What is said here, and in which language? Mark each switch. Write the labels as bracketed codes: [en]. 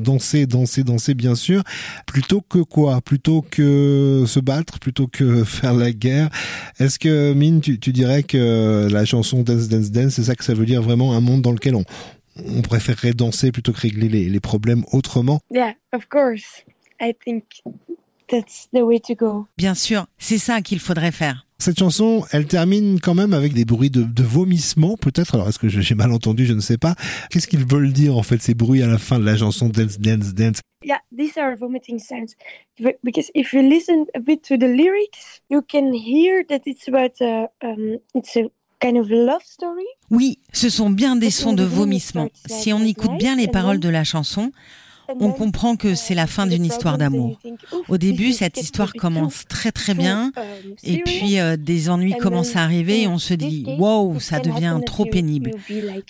[fr] Danser, bien sûr. Plutôt que quoi? Plutôt que se battre? Plutôt que faire la guerre? Est-ce que, Mine, tu dirais que la chanson Dance, c'est ça que ça veut dire vraiment? Un monde dans lequel on préférerait danser plutôt que régler les problèmes autrement? [en] Yeah, of course. I think that's the way to go. [fr] Bien sûr, c'est ça qu'il faudrait faire. Cette chanson, elle termine quand même avec des bruits de vomissements, peut-être. Alors, est-ce que j'ai mal entendu? Je ne sais pas. Qu'est-ce qu'ils veulent dire, en fait, ces bruits à la fin de la chanson Dance? [en] Yeah, these are vomiting sounds. Because if you listen a bit to the lyrics, you can hear that it's about it's a kind of love story. [fr] Oui, ce sont bien des sons de vomissements. Si on écoute bien les paroles de la chanson, on comprend que c'est la fin d'une histoire d'amour. Au début, cette histoire commence très très bien, et puis des ennuis commencent à arriver, et on se dit « Wow, ça devient trop pénible ».